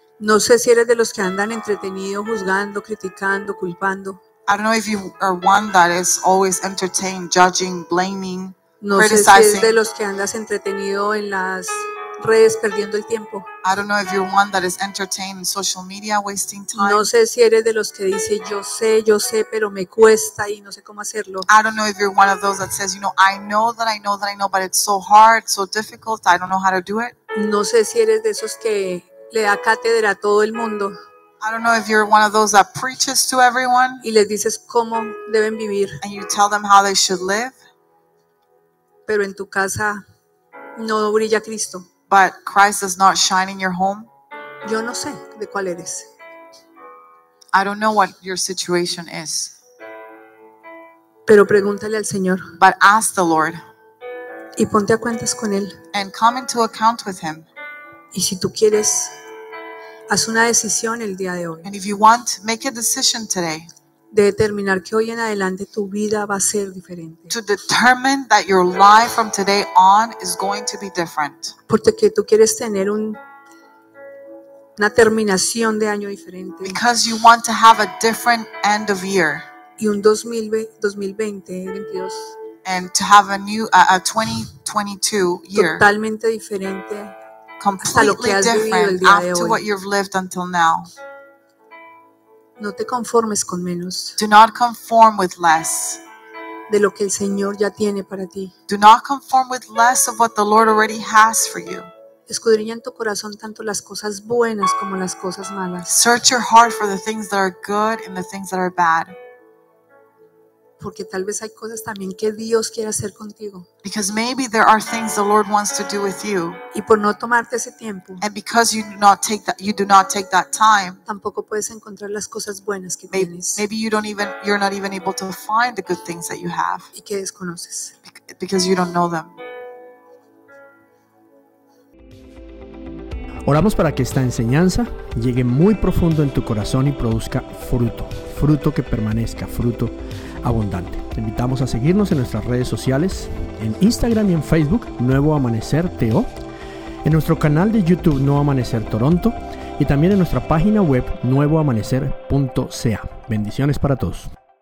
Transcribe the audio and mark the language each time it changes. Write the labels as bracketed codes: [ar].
[es] No sé si eres de los que andan entretenido juzgando, criticando, culpando. [en] I don't know if you are one that is always entertained, judging, blaming, criticizing. [es] No sé si eres de los que andas entretenido en las redes perdiendo el tiempo. [en] I don't know if you're one that is entertained in social media, wasting time. [es] No sé si eres de los que dice yo sé, pero me cuesta y no sé cómo hacerlo. [en] I don't know if you're one of those that says, you know, I know, but it's so hard, so difficult, I don't know how to do it. [es] No sé si eres de esos que le da cátedra a todo el mundo. [en] I don't know if you're one of those that preaches to everyone. [es] Y les dices cómo deben vivir. [en] And you tell them how they should live. [es] Pero en tu casa no brilla Cristo. [en] But Christ does not shine in your home. [es] Yo no sé de cuál eres. [en] I don't know what your situation is. [es] Pero pregúntale al Señor. [en] But ask the Lord. [es] Y ponte a cuentas con él. [en] And come into account with him. [es] Y si tú quieres, haz una decisión el día de hoy. [en] And if you want, make a decision today. [es] De determinar que hoy en adelante tu vida va a ser diferente. [en] To determine that your life from today on is going to be different. [es] Porque tú quieres tener una terminación de año diferente. [en] Because you want to have a different end of year. [es] Y un 2022. [en] And to have a 2022 year. [es] Totalmente diferente. [en] Completely different after what you've lived until now. [es] No te conformes con menos. [en] Do not conform with less. [es] De lo que el Señor ya tiene para ti. [en] Do not conform with less of what the Lord already has for you. [es] Escudriña en tu corazón tanto las cosas buenas como las cosas malas. [en] Search your heart for the things that are good and the things that are bad. [es] Porque tal vez hay cosas también que Dios quiere hacer contigo. [en] Because maybe there are things the Lord wants to do with you. [es] Y por no tomarte ese tiempo. [en] And because you do not take that time. [es] Tampoco puedes encontrar las cosas buenas que tienes. [en] Maybe you're not even able to find the good things that you have. [es] Y que desconoces. [en] Because you don't know them. [es] Oramos para que esta enseñanza llegue muy profundo en tu corazón y produzca fruto. Fruto que permanezca, fruto abundante. Te invitamos a seguirnos en nuestras redes sociales, en Instagram y en Facebook, Nuevo Amanecer TO, en nuestro canal de YouTube, Nuevo Amanecer Toronto, y también en nuestra página web, nuevoamanecer.ca. Bendiciones para todos.